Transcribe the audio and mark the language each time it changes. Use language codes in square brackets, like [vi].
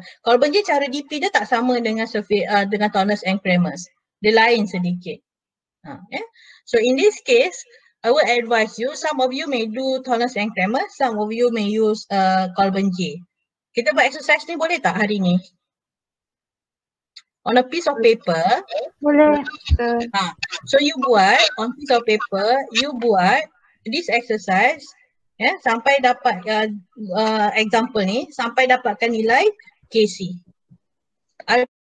[ms] Colburn J cara DP dia tak sama dengan dengan Tonus and Kramers. Dia lain sedikit. [en] So in this case, I will advise you, some of you may do Tonus and Kramers, some of you may use Colburn J. [ms] Kita buat exercise ni boleh tak hari ni? [en] On a piece of paper. [ms] Boleh. [en] So you buat on piece of paper, you buat this exercise. [ms] Sampai dapat example ni, sampai dapatkan nilai KC.